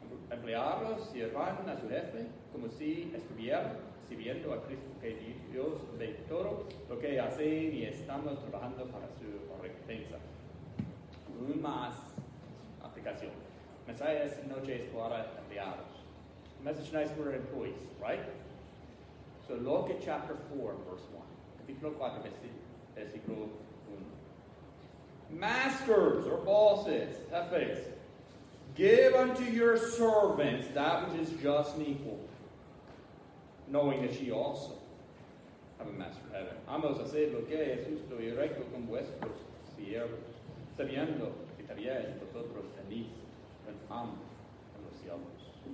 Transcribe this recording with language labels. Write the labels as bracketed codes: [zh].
[es] Empleados sirvan a su jefe como si estuvieran sirviendo a Cristo, que Dios ve todo lo que hacen y estamos trabajando para su recompensa. Una más aplicación. Mensaje esta noche es para empleados. [en] Message tonight for employees, right? So look at chapter 4, verse 1. [es] Capítulo 4, versículo 1. [en] Masters or bosses, jefes. Give unto your servants that which is just and equal, knowing that ye also have a master in heaven. [es] Amos, haced lo que es justo y recto con vuestros siervos, sabiendo que también vosotros tenéis un amo en los cielos.